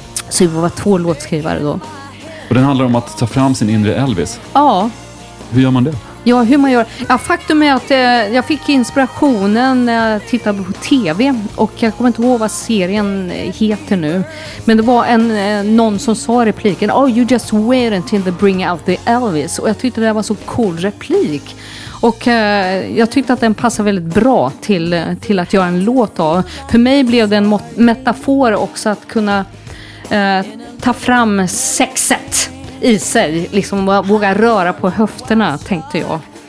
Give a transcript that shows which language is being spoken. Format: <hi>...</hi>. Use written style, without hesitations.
<sv>Så vi var två låtskrivare då. Och den handlar om att ta fram sin inre Elvis. Ja. Hur gör man det? Ja, hur man gör. Ja, faktum är att jag fick inspirationen när jag tittade på tv. Och jag kommer inte ihåg vad serien heter nu. Men det var någon som sa repliken.</sv> <en>Oh, you just wait until they bring out the Elvis.</en> <sv>Och jag tyckte det var så cool replik. Och jag tyckte att den passade väldigt bra till att göra en låt av. För mig blev det en metafor också att kunna... ta fram sexet i sig, liksom våga röra på höfterna, tänkte jag.</sv>